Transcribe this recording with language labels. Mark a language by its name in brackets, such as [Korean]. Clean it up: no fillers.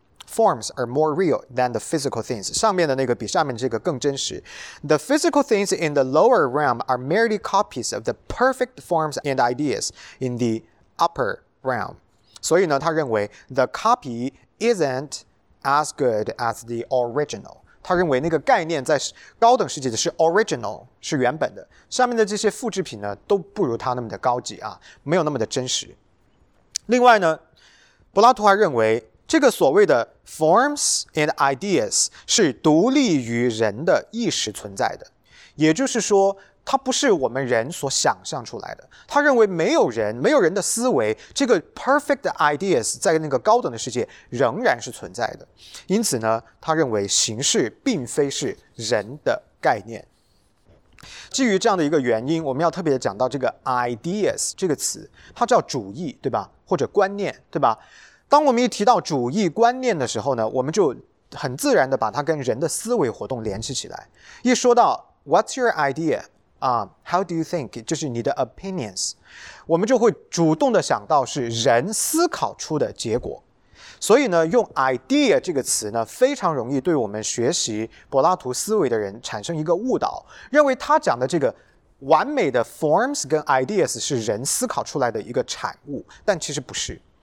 [English] Forms are more real than the physical things. [Chinese] 上面的那个比下面这个更真实。 [English] The physical things in the lower realm are merely copies of the perfect forms and ideas in the upper realm. [Chinese] 所以呢，他认为 [English] the copy isn't as good as the original. [Chinese] 他认为那个概念在高等世界的是 original， 是原本的。上面的这些复制品呢，都不如他那么的高级啊，没有那么的真实。另外呢，柏拉图还认为这个所谓的 forms and ideas 是独立于人的意识存在的，也就是说它不是我们人所想象出来的。他认为没有人，没有人的思维，这个 perfect ideas 在那个高等的世界仍然是存在的。因此呢，他认为形式并非是人的概念。基于这样的一个原因，我们要特别讲到这个 ideas 这个词，它叫主义，对吧？或者观念，对吧？当我们一提到主义观念的时候呢，我们就很自然的把它跟人的思维活动联系起来。一说到 [English] What's your idea? How do you think? [Chinese] 就是你的 opinions， 我们就会主动的想到是人思考出的结果。所以呢，用 idea 这个词呢，非常容易对我们学习柏拉图思维的人产生一个误导，认为他讲的这个完美的 forms 跟 ideas 是人思考出来的一个产物，但其实不是。